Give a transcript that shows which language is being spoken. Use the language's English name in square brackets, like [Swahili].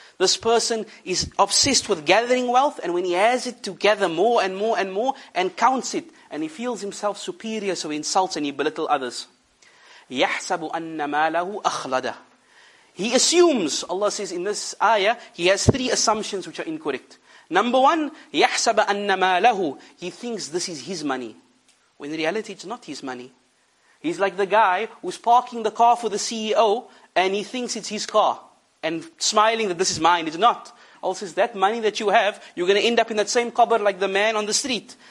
[English] This person is obsessed with gathering wealth, and when he has it, to gather more and more and more, and counts it, and he feels himself superior, so he insults and he belittles others. [Arabic] يَحْسَبُ أَنَّ مَالَهُ أَخْلَدَ. [English] He assumes, Allah says in this ayah, he has three assumptions which are incorrect. Number one, [Arabic] يَحْسَبَ أَنَّ مَالَهُ. [English] He thinks this is his money, when in reality it's not his money. He's like the guy who's parking the car for the CEO, and he thinks it's his car. And smiling that this is mine, it's not. Allah says, that money that you have, you're going to end up in that same qabr like the man on the street.